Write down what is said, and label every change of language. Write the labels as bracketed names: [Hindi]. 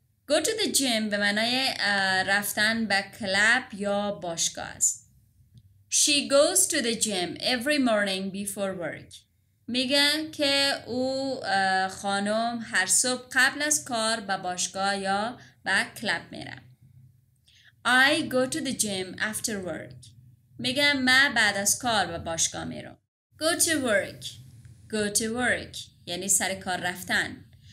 [English] Go to the gym [Persian] به معنای رفتن به کلاب یا باشگاه است. [English] She goes to the gym every morning before work. [Persian] میگه که او خانم هر صبح قبل از کار به باشگاه یا به کلاب میره. [English] I go to the gym after work. [Persian] میگه من بعد از کار به باشگاه میرم. [English] Go to work. [Persian] یعنی سر کار رفتن.